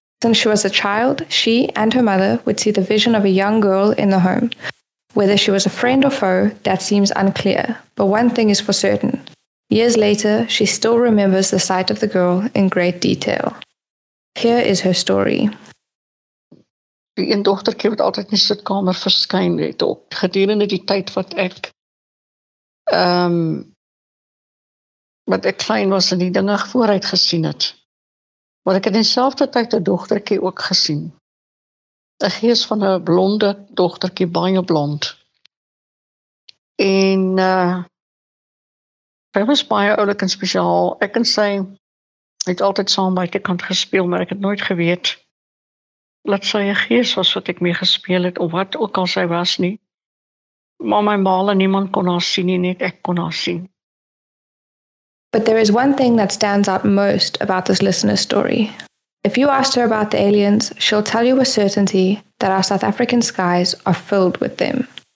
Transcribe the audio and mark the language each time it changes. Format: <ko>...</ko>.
<en>Since she was a child, she and her mother would see the vision of a young girl in the home. Whether she was a friend or foe, that seems unclear, but one thing is for certain. Years later, she still remembers the sight of the girl in great detail. Here is her story.</en> <af>Die een dogtertjie wat altyd in die sitkamer verskyn het op, gedurende die tyd wat ek wat ek klein was en die dinge vooruit gesien het. Maar ek het in dieselfde tyd 'n dogtertjie ook gesien. 'N gees van 'n blonde dogtertjie, baie blond. En sy was baie oulik en spesiaal. Ek en sy het altyd saam buitekant gespeel, maar ek het nooit geweet dat sy 'n gees was wat ek mee gespeel het, of wat ook al sy was nie. Maar my ma en niemand kon haar sien nie, net ek kon haar sien.</af> <en>But there is one thing that stands out most about this listener's story. If you asked her about the aliens, she'll tell you with certainty that our South African skies are filled with them.</en>